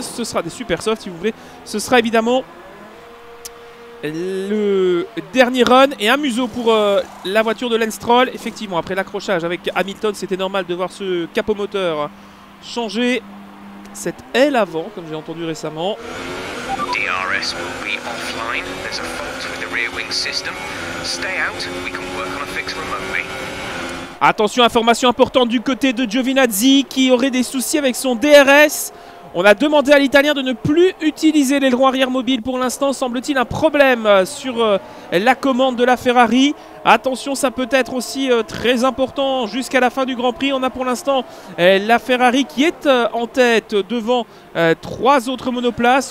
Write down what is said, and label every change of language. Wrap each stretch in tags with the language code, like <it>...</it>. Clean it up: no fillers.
<fr>Ce sera des super soft si vous voulez. Ce sera évidemment le dernier run et un museau pour la voiture de Lance Stroll. Effectivement, après l'accrochage avec Hamilton, c'était normal de voir ce capot moteur changer cette aile avant, comme j'ai entendu récemment.</fr> <en>DRS will be offline. There's a fault with the rear wing system. Stay out, we can work on a fix remotely.</en> <fr>Attention, information importante du côté de Giovinazzi qui aurait des soucis avec son DRS. On a demandé à l'Italien de ne plus utiliser l'aileron arrière mobile. Pour l'instant, semble-t-il un problème sur la commande de la Ferrari. Attention, ça peut être aussi très important jusqu'à la fin du Grand Prix. On a pour l'instant la Ferrari qui est en tête devant trois autres monoplaces.</fr>